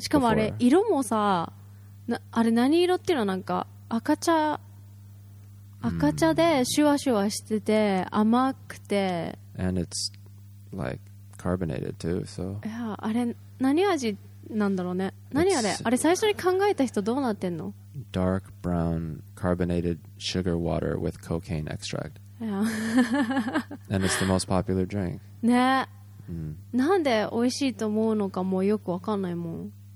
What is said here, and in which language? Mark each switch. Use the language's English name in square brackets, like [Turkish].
[Japanese] しかもあれ色もさ、あれ何色っていうの、なんか赤茶でシュワシュワしてて甘くて。 [English] And it's like carbonated too, so. [Japanese] いや、あれ何味なんだろうね。何あれ、あれ最初に考えた人どうなってんの？ [English] Dark brown carbonated sugar water with cocaine extract. Yeah. And it's the most popular drink. [Japanese] ね。なんで美味しいと思うのかもよくわかんないもん。